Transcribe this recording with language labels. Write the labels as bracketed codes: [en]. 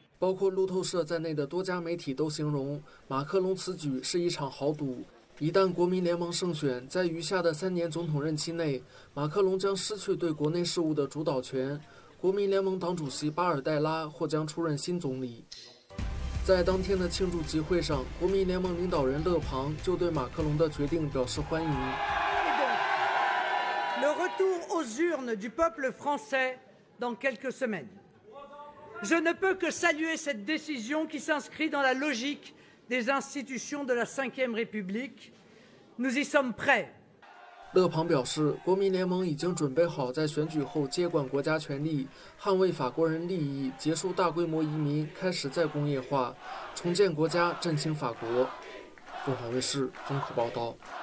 [zh] 包括路透社在内的多家媒体都形容马克龙此举是一场豪赌，一旦国民联盟胜选，在余下的3年总统任期内，马克龙将失去对国内事务的主导权，国民联盟党主席巴尔代拉或将出任新总理。在当天的庆祝集会上，国民联盟领导人勒庞就对马克龙的决定表示欢迎。 [fr] Le retour aux urnes du peuple français dans quelques semaines. Je ne peux que saluer cette décision qui s'inscrit dans la logique des institutions de la Ve République. Nous y sommes prêts. [zh] 勒庞表示，国民联盟已经准备好在选举后接管国家权力，捍卫法国人利益，结束大规模移民，开始再工业化，重建国家，振兴法国。凤凰卫视综合报道。